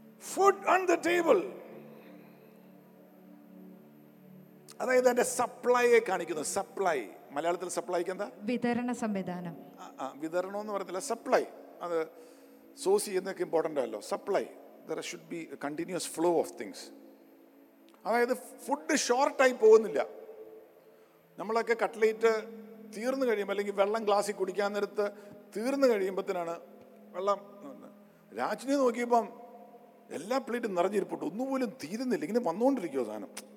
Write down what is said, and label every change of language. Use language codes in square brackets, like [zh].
[ml] Food on the table, അതായത് അതിന്റെ സപ്ലൈയെ കാണിക്കുന്നു. സപ്ലൈ മലയാളത്തിൽ സപ്ലൈക്ക് എന്താ? വിതരണ സംവിധാനം. വിതരണം എന്ന് പറയുന്നില്ല, സപ്ലൈ. അത് സോഴ്സ് ചെയ്യുന്നതൊക്കെ ഇമ്പോർട്ടൻ്റ് ആണല്ലോ. [en] Supply, there should be a continuous flow of things. [ml] അതായത് ഫുഡ് ഷോർട്ടായി പോകുന്നില്ല. നമ്മളൊക്കെ കട്ട്ലേറ്റ് തീർന്നു കഴിയുമ്പോൾ, അല്ലെങ്കിൽ വെള്ളം ഗ്ലാസ്സിൽ കുടിക്കാൻ നേരത്ത് തീർന്നു കഴിയുമ്പോഴത്തേനാണ് വെള്ളം. രാജ്ഞിനെ നോക്കിയപ്പം എല്ലാ പ്ലേറ്റും നിറഞ്ഞിരിപ്പോട്ട്, ഒന്നുപോലും തീരുന്നില്ല, ഇങ്ങനെ വന്നുകൊണ്ടിരിക്കുമോ സാധനം.